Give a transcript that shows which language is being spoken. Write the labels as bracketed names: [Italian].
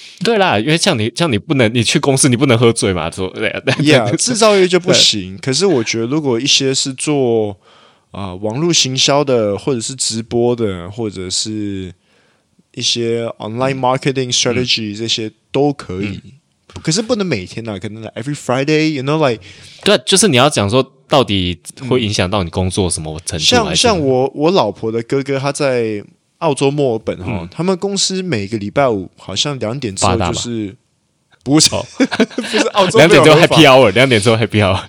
[Chinese] 对啦，因为像你不能，你去公司你不能喝醉嘛，说对呀、yeah, 制造业就不行。可是我觉得如果一些是做网络行销的，或者是直播的，或者是一些 online marketing strategy 这些都可以。 [English] 可是不能每天啦，可能 like every Friday， you know like， [Chinese] 对，就是你要讲说到底会影响到你工作什么程度。像我老婆的哥哥他在澳洲墨尔本、他们公司每个礼拜五好像两点之后就是不是、不是澳洲两点之后 happy hour， 两点之后 happy hour，